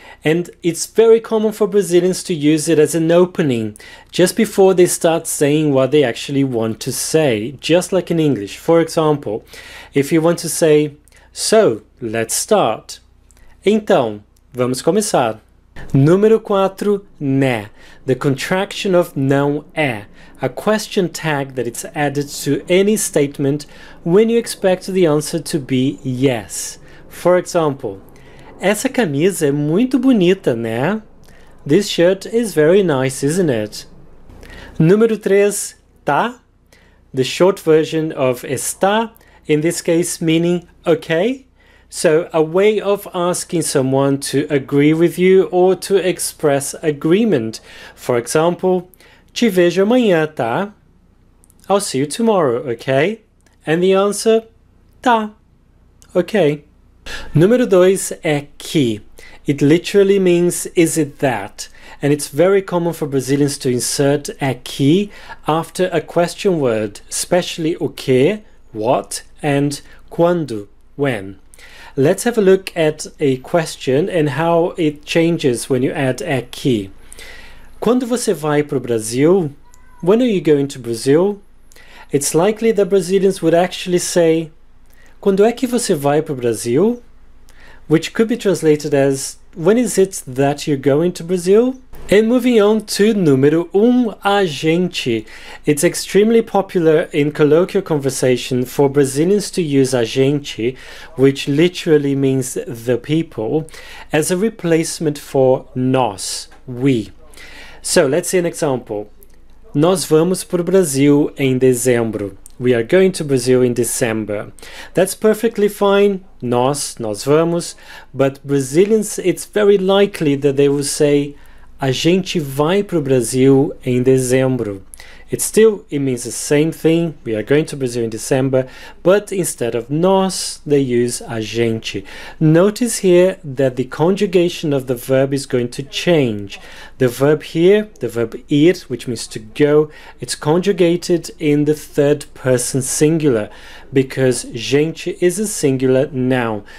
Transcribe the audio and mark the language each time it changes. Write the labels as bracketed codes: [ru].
[en] And it's very common for Brazilians to use it as an opening, just before they start saying what they actually want to say, just like in English. For example, if you want to say, so, let's start. [pt] Então, vamos começar. Número 4, né. [en] The contraction of não é. A question tag that it's added to any statement when you expect the answer to be yes. For example, [pt] essa camisa é muito bonita, né? [en] This shirt is very nice, isn't it? [pt] Número 3, tá? [en] The short version of está, in this case meaning okay. So, a way of asking someone to agree with you or to express agreement. For example, [pt] te vejo amanhã, tá? [en] I'll see you tomorrow, okay? And the answer, [pt] tá. [en] Okay. [pt] Número 2 é que. [en] It literally means, is it that? And it's very common for Brazilians to insert é que after a question word, especially o que, what, and quando, when. Let's have a look at a question and how it changes when you add é que. [pt] Quando você vai para o Brasil? [en] When are you going to Brazil? It's likely that Brazilians would actually say, [pt] quando é que você vai para o Brasil? [en] Which could be translated as, when is it that you're going to Brazil? And moving on to número 1, a gente. It's extremely popular in colloquial conversation for Brazilians to use a gente, which literally means the people, as a replacement for nós, we. So, let's see an example. [pt] Nós vamos para o Brasil em dezembro. [en] We are going to Brazil in December. That's perfectly fine, nós vamos. But Brazilians, it's very likely that they will say, [pt] a gente vai para o Brasil em dezembro. [en] It still, it means the same thing, we are going to Brazil in December, but instead of nós, they use a gente. Notice here that the conjugation of the verb is going to change. The verb here, the verb ir, which means to go, it's conjugated in the third person singular, because gente is a singular noun.